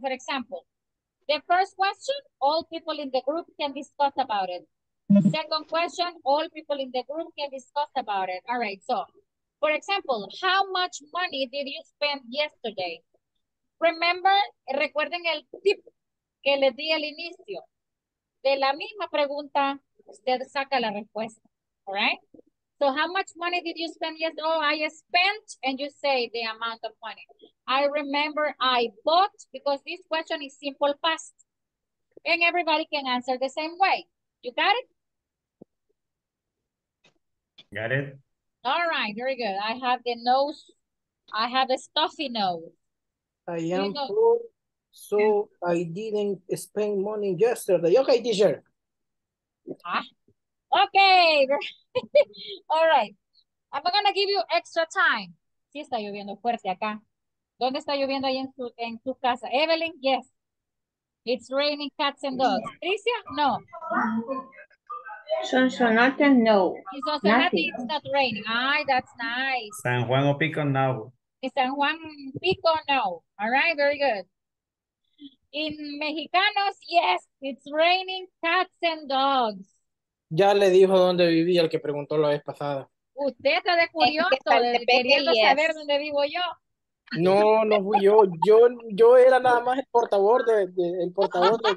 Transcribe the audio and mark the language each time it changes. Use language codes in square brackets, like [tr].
[en] For example, the first question, all people in the group can discuss about it. The second question, all people in the group can discuss about it. All right, so, for example, how much money did you spend yesterday? Remember, [es] recuerden el tip que les di al inicio. De la misma pregunta, usted saca la respuesta, [en] all right? So how much money did you spend yesterday? Oh, I spent, and you say the amount of money. I remember I bought, because this question is simple past. And everybody can answer the same way. You got it? Got it. All right, very good. I have the nose. I have a stuffy nose. I am poor, so I didn't spend money yesterday. Okay, teacher. Huh? Okay, all right. I'm gonna give you extra time. [es] Sí, está lloviendo fuerte acá. ¿Dónde está lloviendo ahí en tu casa? Evelyn, [en] yes. It's raining cats and dogs. [es] Patricia, no. Sonsonate, no. [en] In Sonsonate, it's not raining. Ay, that's nice. [es] San Juan o Pico, no. [en] In San Juan Pico, no. All right, very good. In Mexicanos, yes, it's raining cats and dogs. [es] Ya le dijo dónde vivía el que preguntó la vez pasada. Usted está de curioso, es que está de queriendo [en] yes. [es] saber dónde vivo yo. No, no fui yo. Yo era nada más el portavoz de el portavoz de...